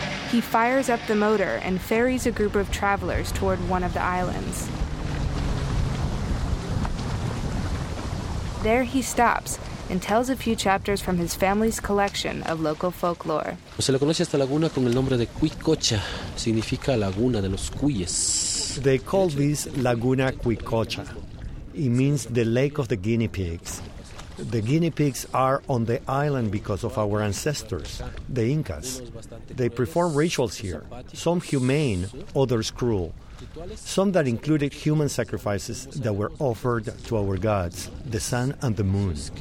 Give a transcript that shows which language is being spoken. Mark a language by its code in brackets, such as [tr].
[en] He fires up the motor and ferries a group of travelers toward one of the islands. There he stops and tells a few chapters from his family's collection of local folklore. [es] Se le conoce esta laguna con el nombre de Cuicocha, significa laguna de los cuyes. [en] They call this Laguna Cuicocha. It means the lake of the guinea pigs. The guinea pigs are on the island because of our ancestors, the Incas. They perform rituals here, some humane, others cruel. Some that included human sacrifices that were offered to our gods, the sun and the moon.